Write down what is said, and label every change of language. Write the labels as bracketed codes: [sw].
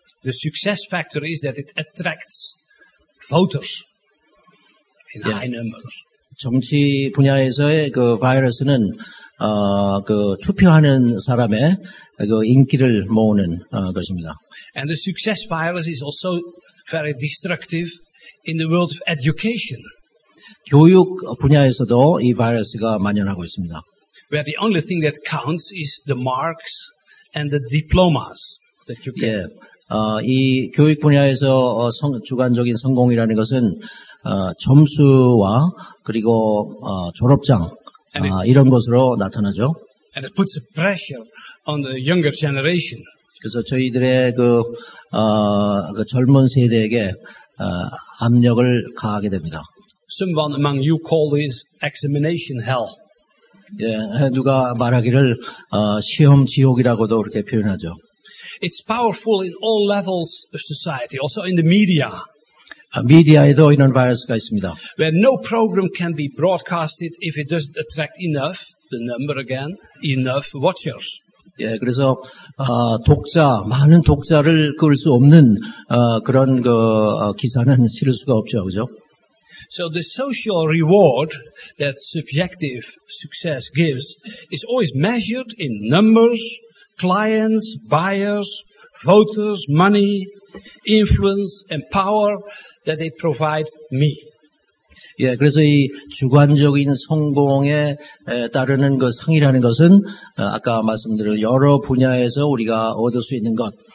[en] The success factor is that it attracts voters in high numbers. [ko] 정치 분야에서의 그 바이러스는 그 투표하는 사람의 그 인기를 모으는 것입니다. [en] And the success virus is also very destructive in the world of education. [ko] 교육 분야에서도 이 바이러스가 만연하고 있습니다. [en] Where the only thing that counts is the marks and the diplomas that you get. [ko] 예, 이 교육 분야에서 주관적인 성공이라는 것은 점수와 그리고 졸업장 이런 것으로 나타나죠. [en] And it puts pressure on the younger generation. [ko] 그래서 저희들의 그 젊은 세대에게 압력을 가하게 됩니다. [en] Someone among you call this examination hell. [ko] 예, 누가 말하기를 시험 지옥이라고도 그렇게 표현하죠. [en] It's powerful in all levels of society, also in the media. [ko] 미디어에도 이런 바이러스가 있습니다. [en] Where no program can be broadcasted if it doesn't attract enough, the number again, enough watchers. [ko] 예, 그래서 독자, 많은 독자를 끌 수 없는 그런 그 기사는 실을 수가 없죠, 그렇죠? [en] So the social reward that subjective success gives is always measured in numbers, clients, buyers, voters, money, influence and power that they provide me. [ko] 예, 그래서 이 주관적인 성공에 따르는 그 상이라는 것은 아까 말씀드린 여러 분야에서 우리가 얻을 수 있는 것.